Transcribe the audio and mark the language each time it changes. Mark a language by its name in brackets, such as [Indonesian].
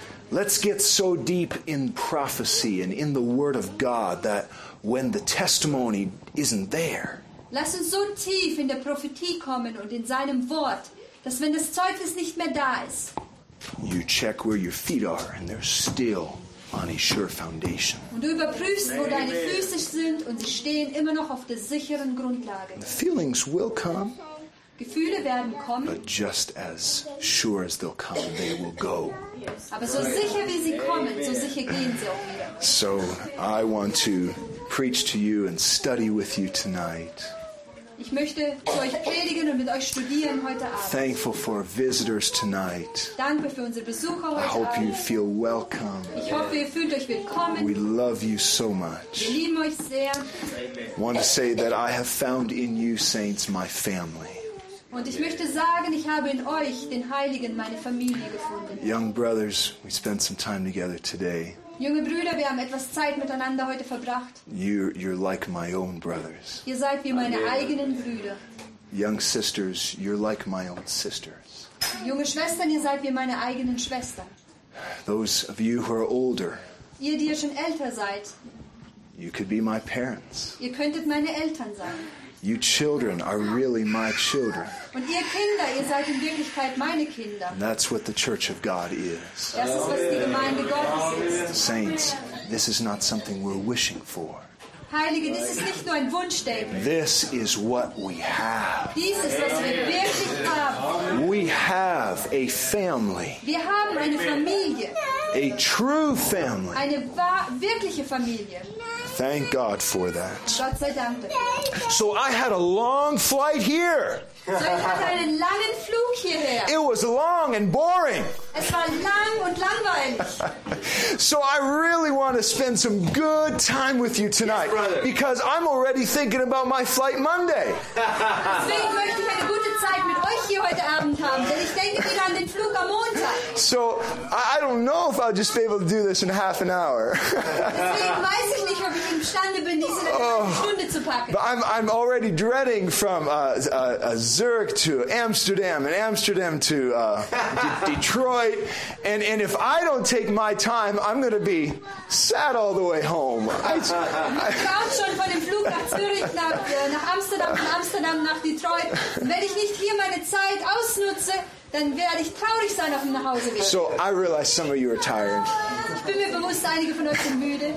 [English] Let's get so deep in prophecy and in the Word of God that when the testimony isn't there. [German] Lass uns so tief in der Prophetie kommen und in seinem Wort, dass wenn das Zeugnis nicht mehr da ist. [English] You check where your feet are and they're still on a sure foundation. [German] Und du überprüfst, wo deine Füße sind und sie stehen immer noch auf der sicheren Grundlage. [English] The feelings will come. [German] Gefühle werden kommen. [English] But just as sure as they'll come, they will go. [German] Aber so sicher wie sie kommen, so sicher gehen sie auch wieder. [English] So I want to preach to you and study with you tonight. [German] Ich möchte zu euch predigen und mit euch studieren heute Abend. [English] Thankful for visitors tonight. [German] Danke für unsere Besucher heute [English] Abend. I hope you feel welcome. [German] Ich hoffe, ihr fühlt euch willkommen. [English] We love you so much. [German] Wir lieben euch sehr. [English] Want to say that I have found in you, saints, my family. [German] Und ich möchte sagen, ich habe in euch, den Heiligen, meine Familie gefunden. [English] Young brothers, we spent some time together today. [German] Junge Brüder, wir haben etwas Zeit miteinander heute verbracht. [English] You're like my own brothers. [German] Ihr seid wie meine eigenen Brüder. [English] Young sisters, you're like my own sisters. [German] Junge Schwestern, ihr seid wie meine eigenen Schwestern. [English] Those of you who are older. [German] Ihr, die ihr schon älter seid. [English] You could be my parents. [German] Ihr könntet meine Eltern sein. [English] You children are really my children. [German] Und ihr Kinder, ihr seid in Wirklichkeit meine Kinder. [English] And that's what the Church of God is. [German] Das ist, was die Gemeinde Gottes ist. [English] Saints, this is not something we're wishing for. [German] Heilige, das ist nicht nur ein Wunschdenken. [English] This is what we have. [German] Dies ist, was wir wirklich haben. [English] We have a family. [German] Wir haben eine Familie. [English] A true family. [German] Eine wirkliche Familie. [English] Thank God for that. [German] Gott sei Dank dafür. [English] So I had a long flight here. [German] So ich hatte einen langen Flug hierher. [English] It was long and boring. [German] Es war lang und langweilig. [English] So I really want to spend some good time with you tonight. Yes, brother. Because I'm already thinking about my flight Monday. [German] Deswegen möchte ich eine gute Zeit mit euch hier heute Abend haben. Denn ich denke wieder an den Flug am Montag. [English] So I don't know if I'll just be able to do this in half an hour. [German] Deswegen weiß ich nicht, ob ich imstande bin, diese Stunde zu packen. [English] But I'm already dreading from Zurich to Amsterdam and Amsterdam to Detroit. And if I don't take my time, I'm going to be sad all the way home. [German] Ich kam schon von dem Flug nach Zürich nach Amsterdam, von Amsterdam nach Detroit. Wenn ich nicht hier meine Zeit ausnutze, dann werde ich traurig sein auf dem Nachhauseweg. [English] So I realize some of you are tired. [German] Ich bin mir bewusst, einige von euch sind müde.